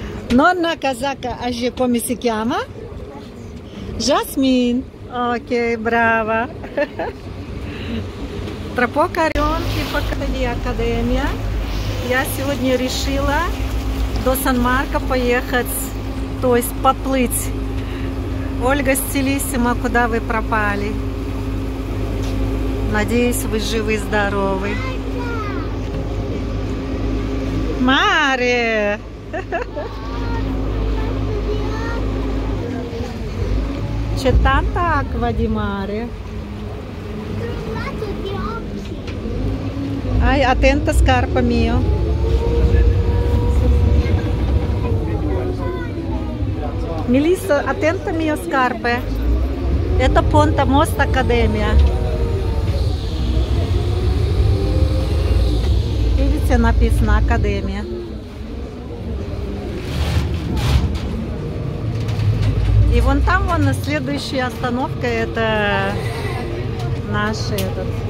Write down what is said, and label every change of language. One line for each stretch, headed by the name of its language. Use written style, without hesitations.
Italian: Nonna casacca, Aje, come si chiama? Jasmine. Ok, brava. Tra poco arrivi di accademia.
Russian: Я сегодня решила до Сан-Марко поехать, то есть поплыть. Ольга Стилиссима, куда вы пропали? Надеюсь, вы живы и здоровы.
Italian: Mare! C'è tanta acqua di mare. Ai, attenta scarpa mio. Мелисса, attenta mio scarpe.
Russian: Это Понта Мост Академия. Видите, написано Академия. И вон там, вон, следующая остановка, это наш этот...